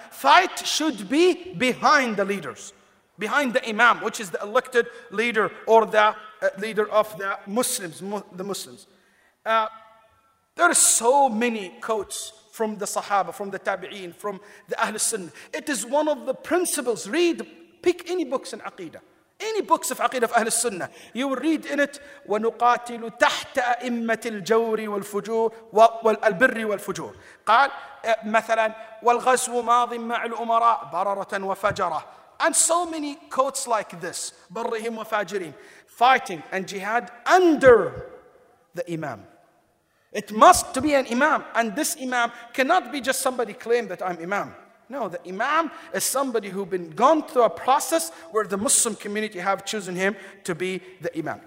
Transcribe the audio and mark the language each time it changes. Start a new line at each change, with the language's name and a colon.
English: Fight should be behind the leaders, behind the Imam, which is the elected leader or the leader of the Muslims, there are so many quotes from the Sahaba, from the Tabi'een, from the Ahl Sunnah. It is one of the principles. Read, pick any books in Aqidah, any books of Aqidah of Ahl Sunnah. You will read in it,
Arabic: وَنُقَاتِلُ تَحْتَ أَئِمَّةِ الْجَوْرِ وَالْفُجُورِ وَالْبِرِّ وَالْفُجُورِ. قال مثلا, وَالْغَزْوُ مَاضٍ مَعْ الْأُمَرَاءِ بَرَرَةً وَفَجَرَةً.
English: And so many quotes like this,
Arabic: بَرِّهِمْ وَفَاجِرِينَ.
English: Fighting and jihad under the Imam. It must to be an Imam. And this Imam cannot be just somebody claim that I'm Imam. No, the Imam is somebody who been gone through a process where the Muslim community have chosen him to be the Imam.